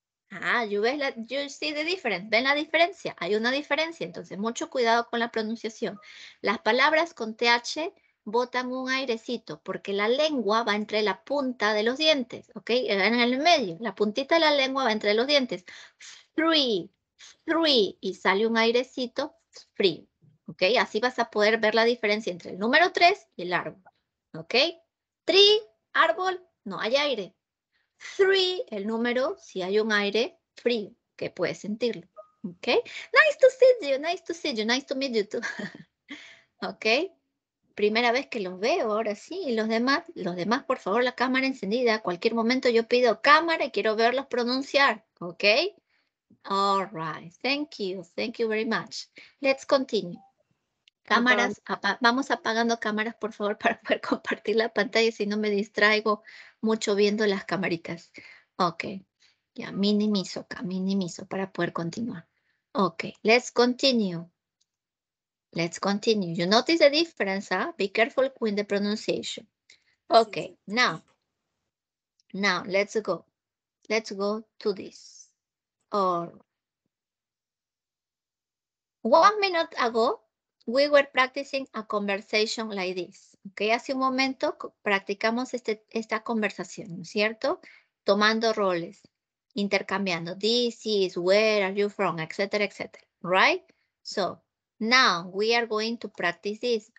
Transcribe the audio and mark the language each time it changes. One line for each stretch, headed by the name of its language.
English: Ah, you ves la, you see the difference.
Spanish: ¿Ven la diferencia? Hay una diferencia. Entonces, mucho cuidado con la pronunciación. Las palabras con TH botan un airecito porque la lengua va entre la punta de los dientes, ¿ok? En el medio, la puntita de la lengua va entre los dientes. Three, three, y sale un airecito, free, ¿ok? Así vas a poder ver la diferencia entre el número 3 y el árbol, ¿ok? Tree, árbol, no hay aire. Three, el número, si hay un aire, free, que puedes sentirlo, ¿ok?
English: Nice to see you, nice to see you, nice to meet you too, ¿ok?
Spanish: Primera vez que los veo, ahora sí, y los demás, por favor, la cámara encendida. Cualquier momento yo pido cámara y quiero verlos pronunciar, ¿ok?
English: All right, thank you very much. Let's continue.
Spanish: Cámaras, vamos apagando cámaras, por favor, para poder compartir la pantalla, si no me distraigo mucho viendo las camaritas. Ok, ya minimizo acá, minimizo para poder continuar.
English: Ok, let's continue. Let's continue. You notice the difference, huh? Be careful with the pronunciation. Okay, now let's go. Let's go to this. Or 1 minute ago, we were practicing a conversation like this.
Spanish: Okay, hace un momento practicamos esta conversación, ¿cierto? Tomando roles, intercambiando.
English: This is, where are you from, etc., etc. Right? So, now we are going to practice this.